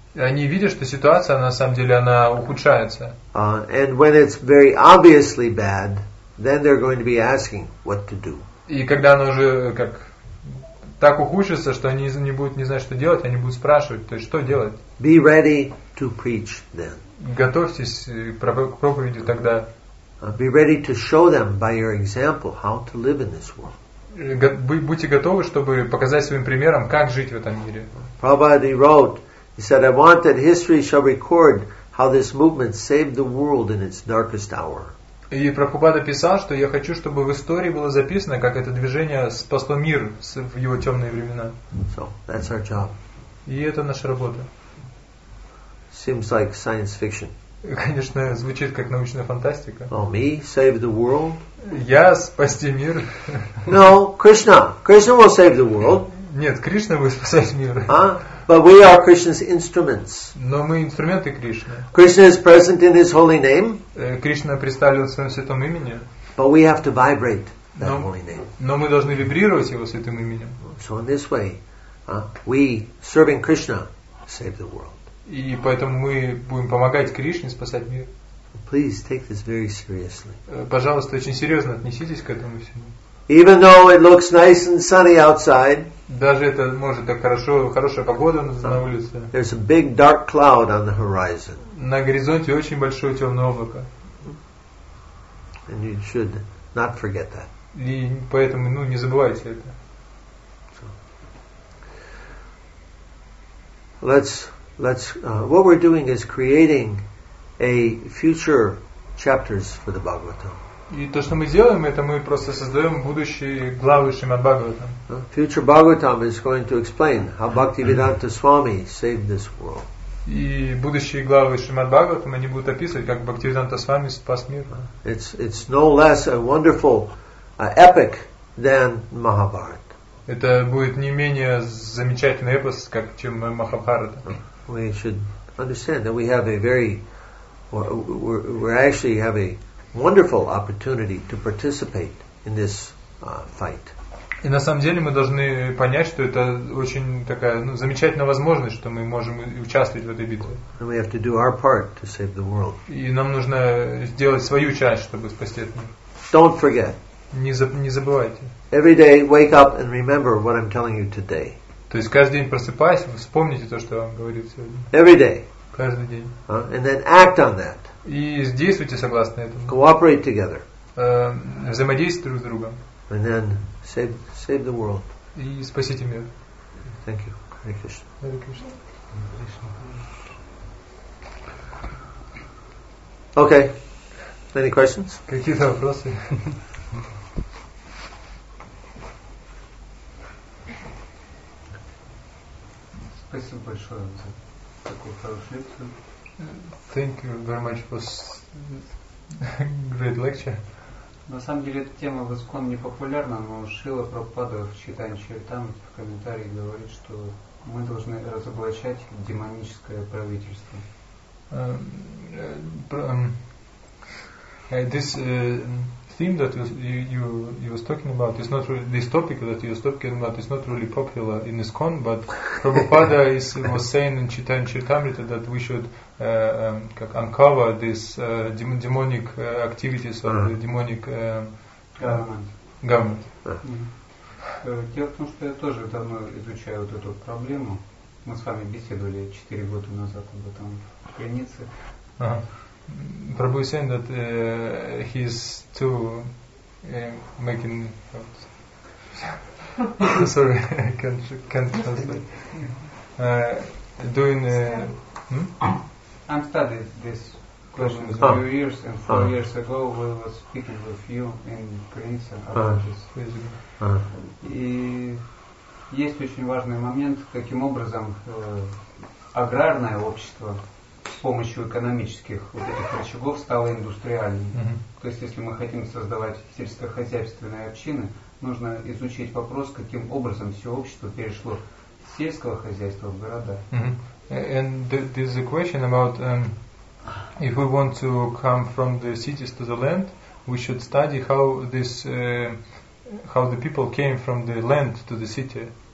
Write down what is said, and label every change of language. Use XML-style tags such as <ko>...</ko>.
<ru>Они видят, что ситуация, на самом деле, она ухудшается.</ru> <en>And when it's very obviously bad, then they're going to be asking what to do.</en> <ru>И когда оно уже как так ухудшится, что они не будут не знать, что делать, они будут спрашивать, то есть что делать?</ru> <en>Be ready to preach then.</en> <ru>Готовьтесь к проповеди тогда.</ru> <en>Be ready to show them by your example how to live in this world.</en> <ru>Будьте готовы, чтобы показать своим примером, как жить в этом мире.</ru> <en>Prabhupada wrote, he said, I want that history shall record how this movement saved the world in its darkest hour.</en> <ru>И Прабхупада писал, что я хочу, чтобы в истории было записано, как это движение спасло мир в его темные времена.</ru> <en>So, that's our job.</en> <ru>И это наша работа.</ru> <en>Seems like science fiction.</en> <ru>Конечно, звучит как научная фантастика.</ru> <en>Oh, me save the world?</en> <ru>Я спасти мир?</ru> <en>No, Krishna. Krishna will save the world.</en> <ru>Нет, Кришна будет спасать мир.</ru> <en>But we are Krishna's instruments.</en> <ru>Но мы инструменты Кришны.</ru> <en>Krishna is present in His holy name.</en> <ru>Кришна представлен в своем святом имени.</ru> <en>But we have to vibrate that holy name.</en> <ru>Но мы должны вибрировать его святым именем.</ru> <en>So in this way, we serving Krishna save the world.</en> <ru>И поэтому мы будем помогать Кришне спасать мир.</ru> <en>Please take this very seriously.</en> <ru>Пожалуйста, очень серьезно отнеситесь к этому всему.</ru> <en>Even though it looks nice and sunny outside.</en> <ru>Даже это может так хорошо, хорошая погода на улице.</ru> <en>There's a big dark cloud on the horizon.</en> <ru>На горизонте очень большое темное облако.</ru> <en>And you should not forget that.</en> <ru>И поэтому, ну, не забывайте это.</ru> <en>What we're doing is creating a future chapters for the Bhagavatam.</en> <ru>И то, что мы делаем, это мы просто создаем будущие главы Шримад Бхагаватам.</ru> <en>Future Bhagavatam is going to explain how Bhaktivedanta Swami saved this world.</en> <ru>И будущие главы Шримад Бхагаватам, они будут описывать, как Бхактивиданта Свами спас мир.</ru> <en>It's no less a wonderful epic than Mahabharata.</en> <ru>Это будет не менее замечательный эпос, как чем Махабхарата.</ru> <en>We should understand that we have a very, we actually have a wonderful opportunity to participate in this fight.</en> <ru>И на самом деле мы должны понять, что это очень такая, ну, замечательная возможность, что мы можем участвовать в этой битве.</ru> <en>And we have to do our part to save the world.</en> <ru>И нам нужно сделать свою часть, чтобы спасти этот мир.</ru> <en>Don't forget.</en> <ru>Не забывайте.</ru> <en>Every day, wake up and remember what I'm telling you today.</en> <ru>То есть каждый день просыпайся, вспомните то, что я вам говорил сегодня.</ru> <en>Every day.</en> <ru>Каждый день.</ru> <en>And then act on that.</en> <ru>И действуйте согласно этому.</ru> <en>Cooperate together.</en> <ru>Взаимодействуйте друг с другом.</ru> <en>And then save the world.</en> <ru>И спасите мир.</ru> <en>Thank you. Hare Krishna. Hare Krishna. Okay. Any questions?</en> <ru>Какие-то вопросы? Спасибо большое за такую хорошую лекцию.</ru> <en>Thank you very much for great lecture.</en> <ru>На самом деле эта тема в ИСККОН не популярна, но Шрила Прабхупада в Чайтанья Чаритамрите в комментарии говорит, что мы должны разоблачать демоническое правительство.</ru> <en>This theme that you was talking about is not really, this topic that you was talking about is not really popular in ISKCON, but Prabhupada was saying in Chaitanya Charitamrita that we should uncover this demonic activities of the demonic government.</en> <ru>Дело в том, что я тоже давно изучаю вот эту проблему. Мы с вами беседовали 4 года назад об этом в Крынице.</ru> <en>Prabhu is saying that he's too making. Sorry, can't translate. Doing. I'm studying this question a few years, and 4 years ago we were speaking with you in Prince about this.</en> <ru>И есть очень важный момент, каким образом аграрное общество с помощью экономических вот этих рычагов стало индустриальным. То есть, если мы хотим создавать сельскохозяйственные общины, нужно изучить вопрос, каким образом все общество перешло с сельского хозяйства в города.</ru> <en>And this is a question about if we want to come from the cities to the land, we should study how this how the people came from the land to the city.</en>